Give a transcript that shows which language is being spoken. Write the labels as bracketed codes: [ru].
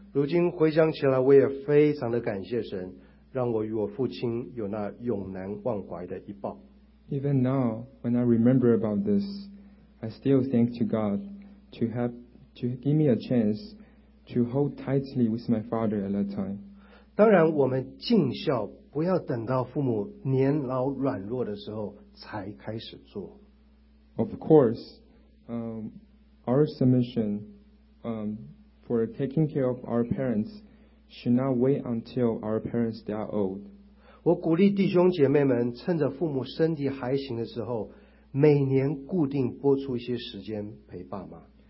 [zh] 如今回想起来，我也非常的感谢神，让我与我父亲有那永难忘怀的一抱。 [en] Even now, when I remember about this, I still thank to God to give me a chance to hold tightly with my father at that time. [zh] 当然我们尽孝不要等到父母年老软弱的时候才开始做。 [en] Of course, our submission, um, for taking care of our parents should not wait until our parents are old. [zh] 我鼓励弟兄姐妹们趁着父母身体还行的时候每年固定拨出一些时间陪爸妈。